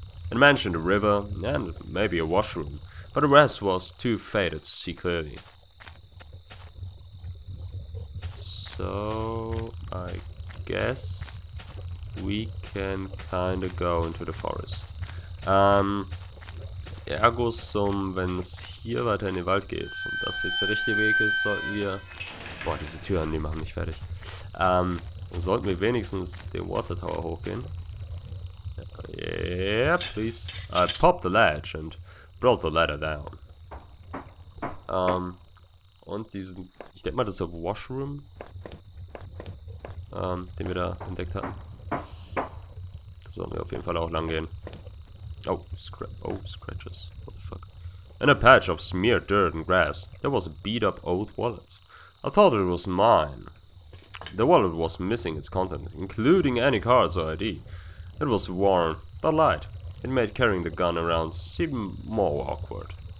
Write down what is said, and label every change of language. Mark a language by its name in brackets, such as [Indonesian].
[English] It mentioned a river and maybe a washroom, but the rest was too faded to see clearly. So, I guess we can kinda go into the forest. [German] Ergo sum, wenn es hier weiter in den Wald geht und das jetzt der richtige Weg ist, sollten wir... Boah, diese Türen, die machen mich fertig. Sollten wir wenigstens den Water Tower hochgehen? [English] Yeah, please. I popped the ledge and brought the ladder down. [German] Und diesen... Ich denke mal, das ist der Washroom. Den wir da entdeckt hatten. Da sollen wir auf jeden Fall auch lang gehen. [English] Oh, scratches. What the fuck? In a patch of smeared dirt and grass, there was a beat-up old wallet. I thought it was mine. The wallet was missing its content, including any cards or ID. It was worn, but light. It made carrying the gun around seem more awkward.